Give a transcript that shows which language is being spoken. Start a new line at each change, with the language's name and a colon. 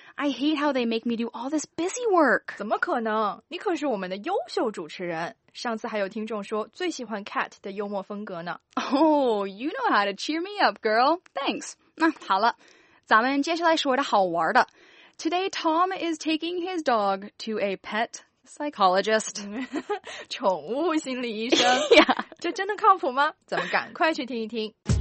English: I hate how they make me do all this busy work.
Chinese: 怎么可能？你可是我们的优秀主持人。上次还有听众说最喜欢 Cat 的幽默风格呢。
English: Oh, you know how to cheer me up, girl. Thanks.
Chinese: 那好了，咱们接下来说的好玩的。
English: Today, Tom is taking his dog to a pet psychologist.
Chinese: 宠物心理医生。
English: Yeah.
Chinese: 这真的靠谱吗？咱们赶快去听一听。